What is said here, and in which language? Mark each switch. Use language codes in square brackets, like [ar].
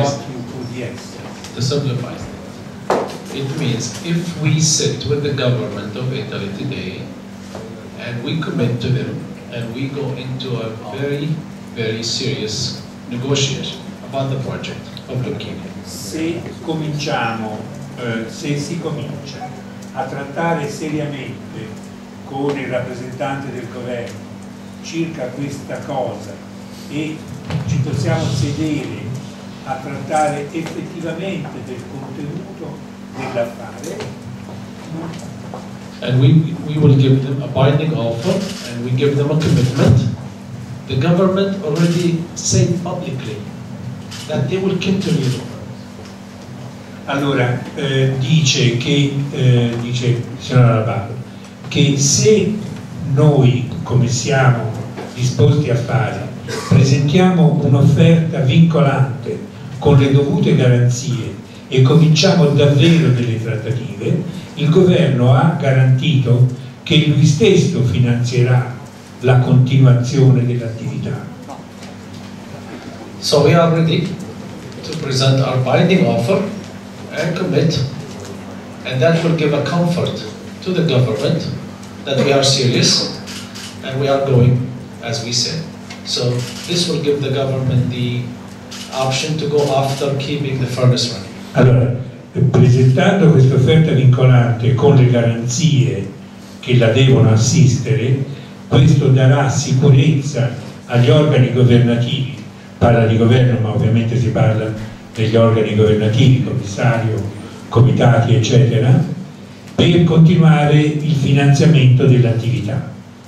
[en] what you could, yes. To simplify it. It means if we sit with the government of Italy today and we commit to them and we go into a very, very serious negotiation about the project of leukemia. [it] Se cominciamo, se si comincia a trattare seriamente con il rappresentante del governo circa questa cosa e ci possiamo sedere a trattare effettivamente del contenuto dell'affare, [en] and we will give them a binding offer and we give them a commitment. The government already said publicly that they will continue. [it] Allora, dice che dice signor Arbab che se noi, come siamo disposti a fare, presentiamo un'offerta vincolante con le dovute garanzie e cominciamo davvero delle trattative, il governo ha garantito che lui stesso finanzierà la continuazione dell'attività. [en] So we are ready to present our binding offer and commit, and that will give a comfort to the government that we are serious and we are going as we said. So this will give the government the option to go after keeping the furnace running. [it] Allora, presentando questa offerta vincolante con le garanzie che la devono assistere, questo darà sicurezza agli organi governativi, parla di governo ma ovviamente si parla degli organi governativi, commissario, comitati eccetera, per continuare il finanziamento dell'attività.